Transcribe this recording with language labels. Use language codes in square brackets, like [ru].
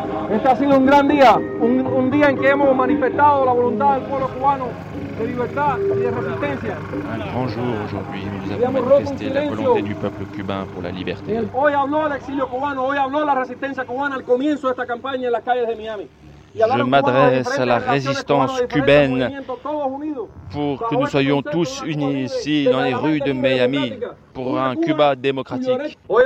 [es] Este ha sido un gran día, un día en que hemos manifestado la voluntad del pueblo cubano de libertad y de resistencia. [fr] Un grand jour aujourd'hui, nous avons manifesté la volonté du peuple cubain pour la liberté. [es] Hoy habló el exilio cubano, hoy habló la resistencia cubana al comienzo de esta campaña en las calles de Miami. [fr] Je m'adresse à la résistance cubaine pour que nous soyons tous unis ici dans les rues de Miami pour un Cuba démocratique.